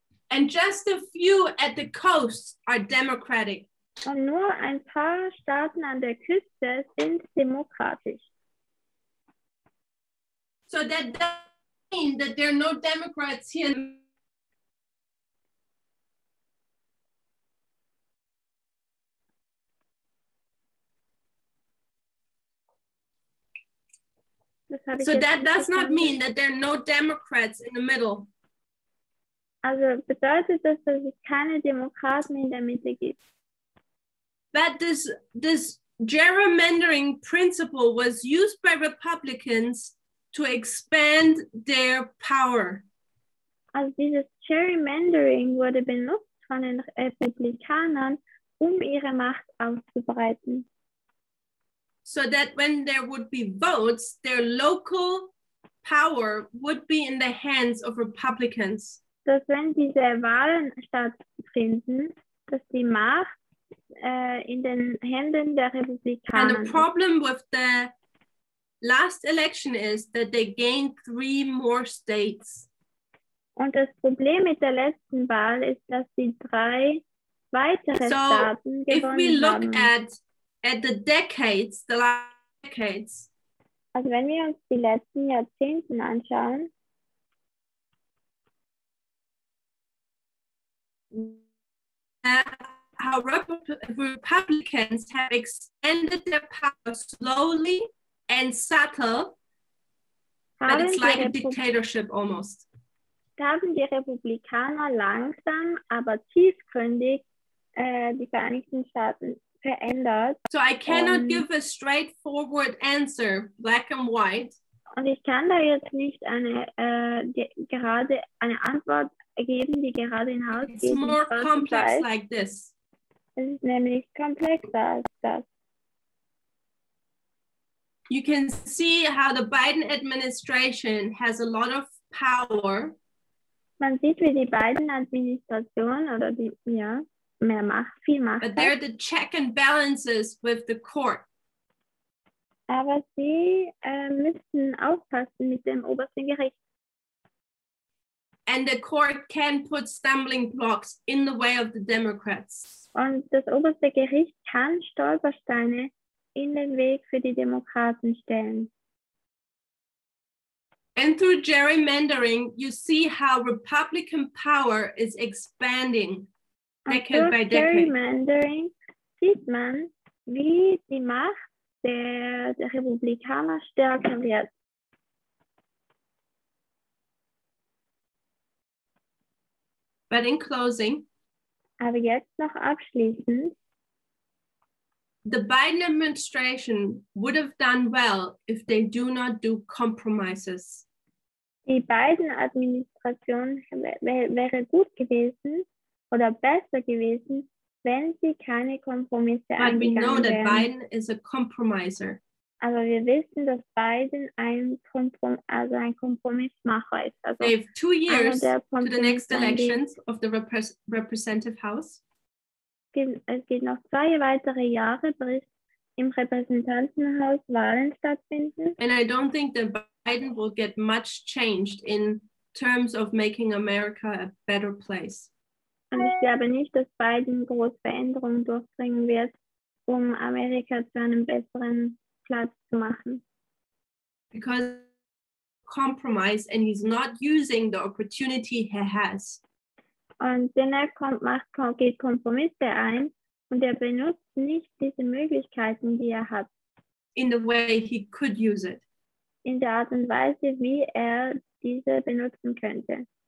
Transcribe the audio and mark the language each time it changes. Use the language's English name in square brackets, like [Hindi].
[English] And just a few at the coast are democratic. [German] Und nur ein paar Staaten an der Küste sind demokratisch. [English] So that doesn't mean that there are no Democrats here. So that does not mean that there are no Democrats in the middle. [German] Also bedeutet das, dass es keine Demokraten in der Mitte gibt. [English] That this gerrymandering principle was used by Republicans to expand their power. [German] Also dieses gerrymandering wurde benutzt von den Republikanern, um ihre Macht auszubreiten. [English] So that when there would be votes, their local power would be in the hands of Republicans. [German] Dass wenn diese Wahlen stattfinden, dass die Macht in den Händen der Republikaner. [English] And the problem with the last election is that they gained 3 more states. [German] Und das Problem mit der letzten Wahl ist, dass sie 3 weitere Staaten gewonnen haben. [English] So if we look at the decades, the last decades. [German] Also wenn wir uns die letzten Jahrzehnte anschauen. [English] How Republicans have expanded their power slowly and subtle, but it's like a dictatorship almost. [German] Haben die Republikaner langsam, aber tiefgründig die Vereinigten Staaten verändert. [English] So I cannot give a straightforward answer, black and white. [German] Und ich kann da jetzt nicht eine Antwort geben, die gerade in Haus geht. [English] It's more complex like this. [German] Es ist nämlich komplexer als das. [English] You can see how the Biden administration has a lot of power. [German] Man sieht, wie die Biden-Administration oder die, ja, mehr Macht, viel Macht hat. [English] But they're the check and balances with the court. [German] Aber sie müssen aufpassen mit dem obersten Gericht. [English] And the court can put stumbling blocks in the way of the Democrats. [German] Und das oberste Gericht kann Stolpersteine in den Weg für die Demokraten stellen. [English] And through gerrymandering, you see how Republican power is expanding decade by decade. [German] Und durch gerrymandering sieht man, wie die Macht der Republikaner stärker wird. [English] But in closing, [German] aber jetzt noch abschließend, [English] the Biden administration would have done well if they do not do compromises. [German] Die Biden-Administration wäre gut gewesen oder besser gewesen, wenn sie keine Kompromisse eingegangen [English] we know that Biden is a compromiser. [German] Aber wir wissen, dass Biden ein Kompromissmacher ist. Also [English] they have 2 years to the next elections of the Representative House. [German] Es geht noch 2 weitere Jahre, bis im Repräsentantenhaus Wahlen stattfinden. [English] And I don't think that Biden will get much changed in terms of making America a better place. [German] Und ich glaube nicht, dass Biden große Veränderungen durchbringen wird, um Amerika zu einem besseren Platz zu machen. [English] Because compromise and he's not using the opportunity he has. [German] Und denn er geht Kompromisse ein und er benutzt nicht diese Möglichkeiten, die er hat. [English] In the way he could use it. [German] In der Art und Weise, wie er diese benutzen könnte.